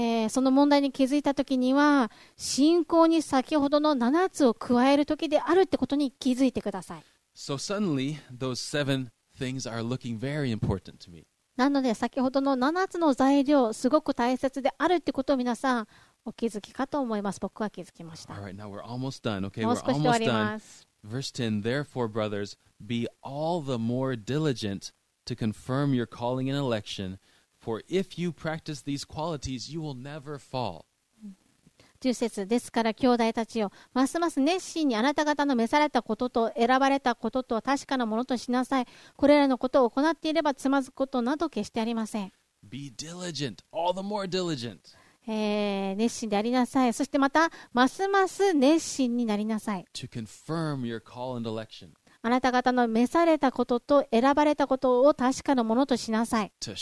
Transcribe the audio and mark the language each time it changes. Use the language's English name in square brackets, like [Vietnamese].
[Japanese] その問題に気づいたときには、信仰に先ほどの7つを加えるときであるってことに気づいてください。 [English] So suddenly, those seven things are looking very important to me. [Japanese] なので、先ほどの7つの材料、すごく大切であるってことを皆さん、お気づきかと思います。僕は気づきました。 [English] All right, now we're almost done. Okay, [Japanese] もう少しで終わります。 [English] Verse 10, therefore, brothers, be all the more diligent to confirm your calling and election. For if you practice these qualities, you will never fall. [Japanese] 10節ですから兄弟たちよ、ますます熱心にあなた方の召されたことと選ばれたことと確かなものとしなさい。これらのことを行っていればつまずくことなど決してありません。 [English] Be diligent, all the more diligent. [Japanese] 熱心でありなさい。そしてまたますます熱心になりなさい。 [English] To confirm your call and election. [Japanese] あなた方の召されたことと選ばれたことを確かなものとしなさい。